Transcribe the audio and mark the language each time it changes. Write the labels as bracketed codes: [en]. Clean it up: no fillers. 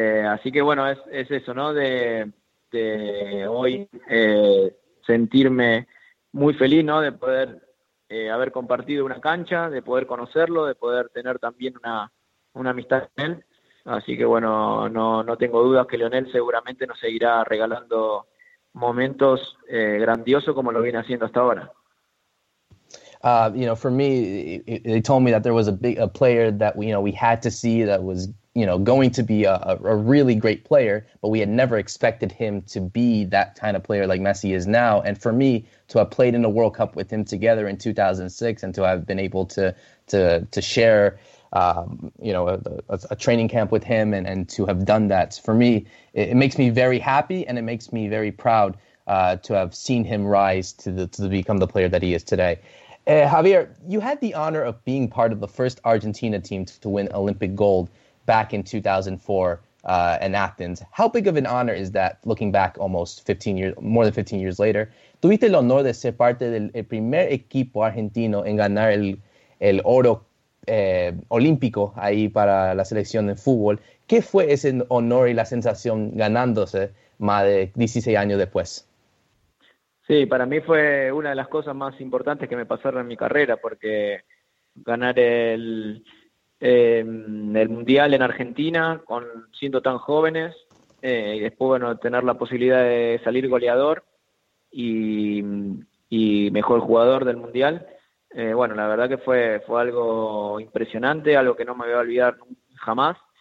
[es] Así que bueno, es eso, ¿no?, de hoy sentirme muy feliz, ¿no?, de poder haber compartido una cancha, de poder conocerlo, de poder tener también una amistad con él. Así que bueno, no tengo dudas que Lionel seguramente nos seguirá regalando momentos grandiosos como lo viene haciendo hasta ahora. [en] you know, for me, they told me that there was a player that we had to see that was, going to be a really great player, but we had never expected him to be that kind of player like Messi is now. And for me to have played in the World Cup with him together in 2006 and to have been able to share, a training camp with him and to have done that, for me, it makes me very happy and it makes me very proud to have seen him rise to become the player that he is today. Javier, you had the honor of being part of the first Argentina team to win Olympic gold back in 2004 in Athens. How big of an honor is that, looking back almost more than 15 years later? [es] Tuviste el honor de ser parte del primer equipo argentino en ganar el oro olímpico ahí para la selección de fútbol. ¿Qué fue ese honor y la sensación ganándose más de 16 años después? Sí, para mí fue una de las cosas más importantes que me pasaron en mi carrera, porque ganar el Mundial en Argentina, siendo tan jóvenes, y después tener la posibilidad de salir goleador y mejor jugador del Mundial, la verdad que fue algo impresionante, algo que no me voy a olvidar jamás.